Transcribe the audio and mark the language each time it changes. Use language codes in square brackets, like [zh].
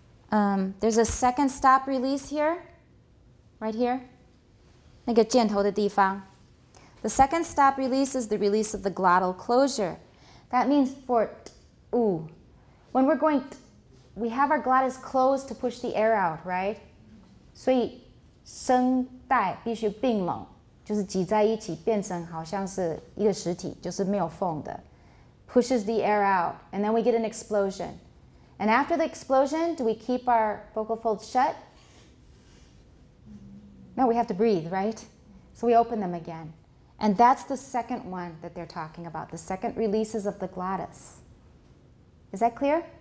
[en] There's a second stop release here, right here, [zh] 那个箭头的地方. [en] The second stop release is the release of the glottal closure. That means for t, ooh, when we're going t, we have our glottis closed to push the air out, right? [zh] 所以声带必须并拢, 就是挤在一起变成好像是一个实体,就是没有缝的. [en] Pushes the air out, and then we get an explosion. And after the explosion, do we keep our vocal folds shut? No, we have to breathe, right? So we open them again. And that's the second one that they're talking about, the second releases of the glottis. Is that clear?